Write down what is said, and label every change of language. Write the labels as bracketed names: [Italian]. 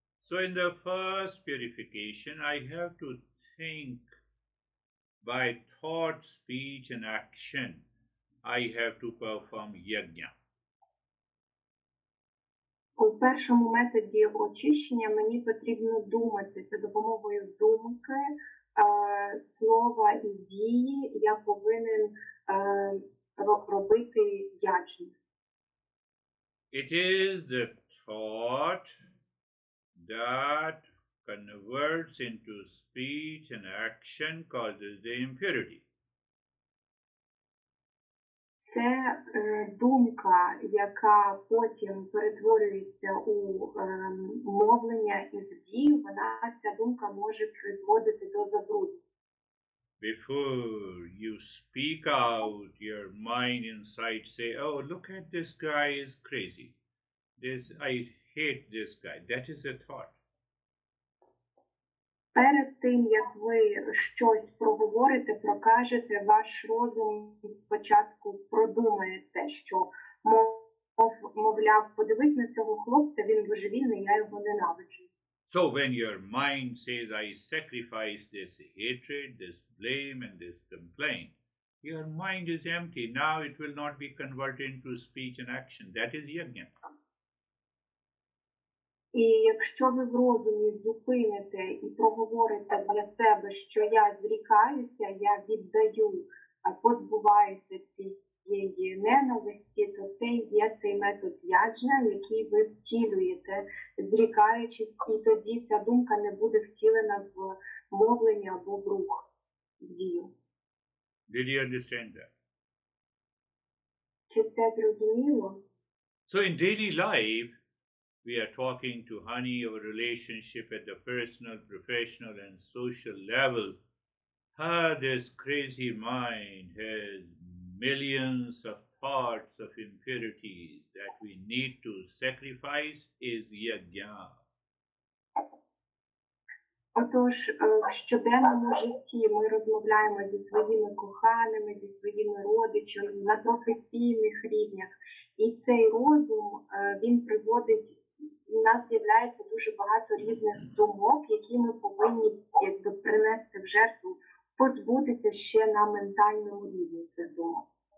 [English] So in the first purification, I have to think by thought, speech and action, I have to perform yajna. [Ukrainian] У першому методі очищення мені потрібно думати. За допомогою думки, слова і дії я повинен робити яджну. [English] It is the thought that converts into speech and action causes the impurity. [Ukrainian] Це думка, яка потім перетворюється у мовлення і в дію, вона ця думка може призводити до забруднення. [English] Before you speak out, your mind inside say, oh, look at this guy, he's crazy. This, I hate this guy. That is a thought. [Ukrainian] Перед тим, як ви щось проговорите, прокажете, ваш розум спочатку продумає це, що, мовляв, подивись на цього хлопця, він божевільний, я його ненавиджу. [English] So when your mind says, I sacrifice this hatred, this blame and this complaint, your mind is empty. Now it will not be converted into speech and action. That is yajna. [Ukrainian] І якщо ви в розумі зупините і проговорите для себе, що я зрікаюся, я віддаю, позбуваюся цієї ненависті, то це є цей метод яджна, який ви втілюєте, зрікаючись, і тоді ця думка не буде втілена в мовлення або в рух, в дію. [English] Did you understand that? [Ukrainian] Чи це зрозуміло? [English] So in daily life, we are talking to honey of a relationship at the personal, professional, and social level. This crazy mind has millions of thoughts of impurities that we need to sacrifice is yajna. [Ukrainian] Отож, в щоденному житті ми розмовляємо зі своїми коханими, зі своїми родичами на професійних рівнях. І цей розум, він приводить. У нас з'являється дуже багато різних думок, які ми повинні якби принести в жертву, позбутися ще на ментальному рівні цих думок.